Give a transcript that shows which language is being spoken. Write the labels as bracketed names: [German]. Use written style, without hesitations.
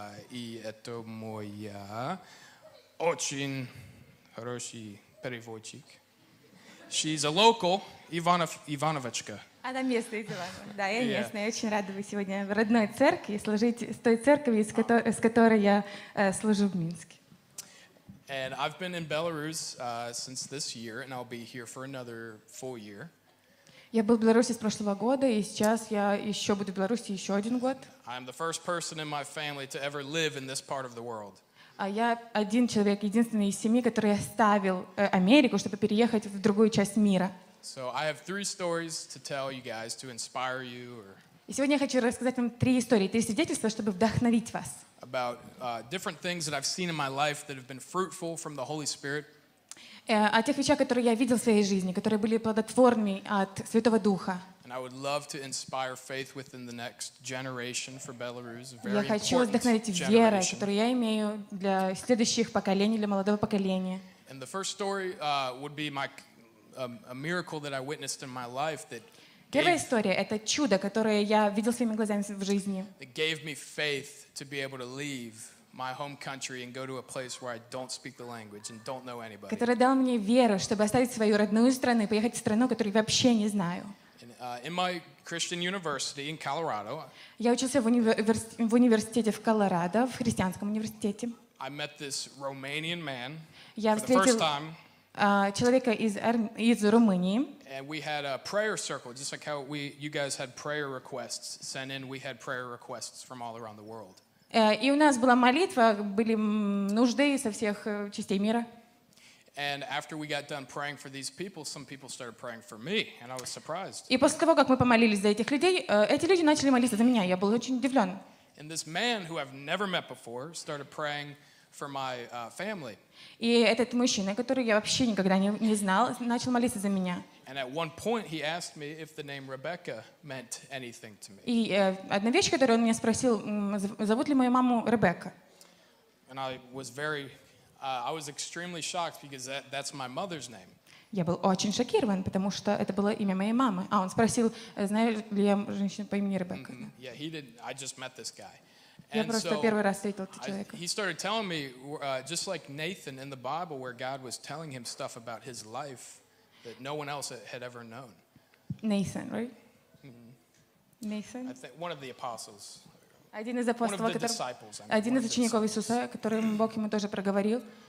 [Russian] И это моя очень хороший переводчик. [English] She's a local Ivanovachka. [Russian] Она местная из Иванова. Да, я местная. Я очень рада быть сегодня в родной церкви и служить с той церковью, с которой я служу в Минске. [English] And I've been in Belarus since this year, and I'll be here for another full year. [Russian] Я был в Беларуси с прошлого года, и сейчас я еще буду в Беларуси еще один год. [English] I'm the first person in my family to ever live in this part of the world. [Russian] А я один человек, единственный из семьи, который оставил Америку, чтобы переехать в другую часть мира. [English] So I have three stories to tell you guys to inspire you. [Russian] И сегодня я хочу рассказать вам три истории, три свидетельства, чтобы вдохновить вас. [English] About different things that I've seen in my life that have been fruitful from the Holy Spirit. [Russian] О тех вещах, которые я видел в своей жизни, которые были плодотворными от Святого Духа. [English] And I would love to inspire faith within the next generation for Belarus. [Russian] Я хочу вдохновить верой, которую я имею для следующих поколений, для молодого поколения. [English] And the first story would be my a miracle that I witnessed in my life that. [Russian] Первая история — это чудо, которое я видел своими глазами в жизни. [English] It gave me faith to be able to leave my home country and go to a place where I don't speak the language and don't know anybody. [Russian] Которое дало мне веру, чтобы оставить свою родную страну и поехать в страну, которую вообще не знаю. [English] In my Christian university in Colorado. [Russian] Я учился в университете в Колорадо, в христианском университете. [English] I met this Romanian man. [Russian] Я встретил человека из Румынии. [English] And we had a prayer circle, just like how we, you guys had prayer requests sent in. We had prayer requests from all around the world. [Russian] И у нас была молитва, были нужды со всех частей мира. [English] And after we got done praying for these people, some people started praying for me, and I was surprised. [Russian] И после того, как мы помолились за этих людей, эти люди начали молиться за меня. Я был очень удивлен. [English] And this man, who I've never met before, started praying for my family. [Russian] И этот мужчина, который я вообще никогда не знал, начал молиться за меня. [English] And at one point, he asked me if the name Rebecca meant anything to me. [Russian] И одна вещь, которую он меня спросил, зовут ли мою маму Ребекка. [English] And I was extremely shocked because that's my mother's name. [Russian] Я был очень шокирован, потому что это было имя моей мамы. А он спросил, знаю ли я женщину по имени Ребекка. [English] Yeah, he didn't. I just met this guy. [Russian] Я просто первый раз встретил этого человека. [English] He started telling me, just like Nathan in the Bible, where God was telling him stuff about his life that no one else had ever known. Nathan, right? Mm-hmm. Nathan? One of the apostles. [Russian] Один из апостолов, один из учеников Иисуса, которым Бог ему тоже проговорил.